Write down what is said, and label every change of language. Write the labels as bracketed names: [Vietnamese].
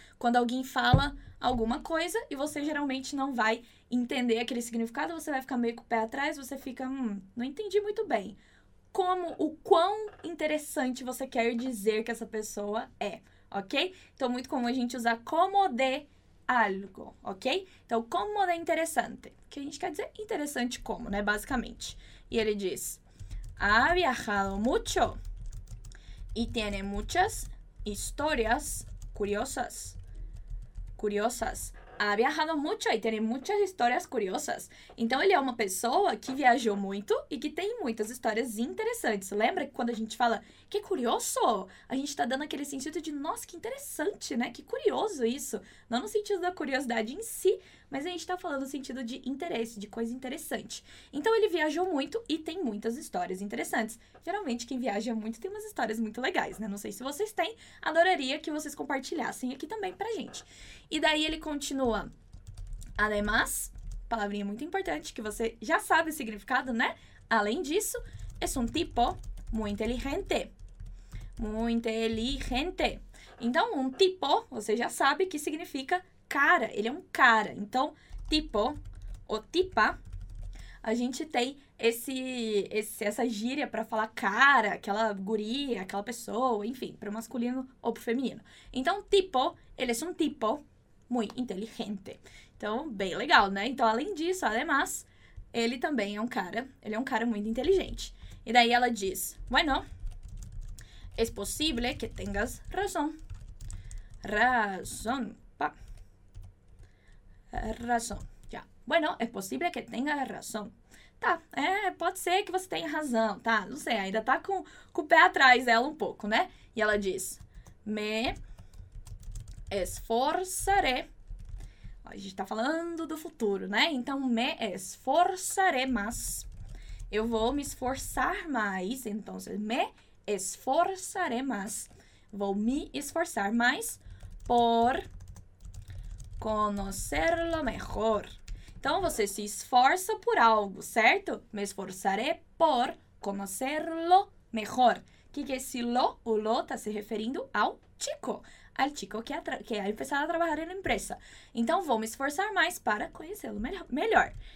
[Portuguese] Quando alguém fala alguma coisa e você geralmente não vai entender aquele significado, você vai ficar meio com o pé atrás, você fica, não entendi muito bem. Como, o quão interessante você quer dizer que essa pessoa é, ok? Então, muito comum a gente usar como de algo, ok? Então, como de interessante, que a gente quer dizer interessante como, né, basicamente. E ele diz: [Spanish] ha viajado mucho y tiene muchas historias curiosas. Curiosas. Ha viajado mucho y tiene muchas historias curiosas. [Portuguese] Então, ele é uma pessoa que viajou muito e que tem muitas histórias interessantes. Lembra que quando a gente fala que curioso, a gente está dando aquele sentido de nossa, que interessante, né? Que curioso isso. Não no sentido da curiosidade em si, mas a gente está falando no sentido de interesse, de coisa interessante. Então, ele viajou muito e tem muitas histórias interessantes. Geralmente, quem viaja muito tem umas histórias muito legais, né? Não sei se vocês têm, adoraria que vocês compartilhassem aqui também pra gente. E daí, ele continua: además, palavrinha muito importante, que você já sabe o significado, né? [Spanish] Além disso, es un tipo muy inteligente. Muy inteligente. [Portuguese] Então, un tipo, você já sabe que significa cara, ele é um cara. Então, tipo, ou tipa, a gente tem essa gíria para falar cara, aquela guria, aquela pessoa, enfim, para o masculino ou para o feminino. Então, tipo, ele é um tipo muito inteligente. Então, bem legal, né? Então, além disso, además, ele também é um cara, ele é um cara muito inteligente. E daí ela diz: [Spanish] bueno, es posible que tengas razón. Razón. [Portuguese] Razão, já. Bueno, é possível que tenha razão. Tá, pode ser que você tenha razão, tá? Não sei, ainda tá com o pé atrás dela um pouco, né? E ela diz: [Spanish] me esforçaré. [Portuguese] A gente tá falando do futuro, né? Então, [Spanish] me esforçaré mais. [Portuguese] Eu vou me esforçar mais. Então, [Spanish] me esforçaré mais. [Portuguese] Vou me esforçar mais [Spanish] por conocerlo mejor. [Portuguese] Então, você se esforça por algo, certo? [Spanish] Me esforçaré por conocerlo mejor. [Portuguese] Que é esse lo? O lo está se referindo ao chico. [Spanish] Al chico que ha empezado a trabajar en la empresa. [Portuguese] Então, vou me esforçar mais para conhecê-lo melhor.